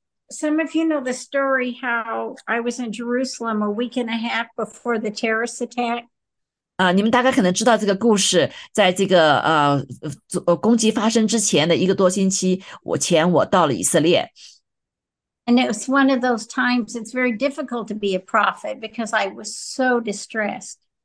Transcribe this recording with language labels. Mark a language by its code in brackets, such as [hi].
[en] Some of you know the story how I was in Jerusalem a week and a half before the terrorist attack. [zh] 你们大概可能知道这个故事，在这个攻击发生之前的1个多星期，我到了以色列。 [en] And it was one of those times it's very difficult to be a prophet because I was so distressed.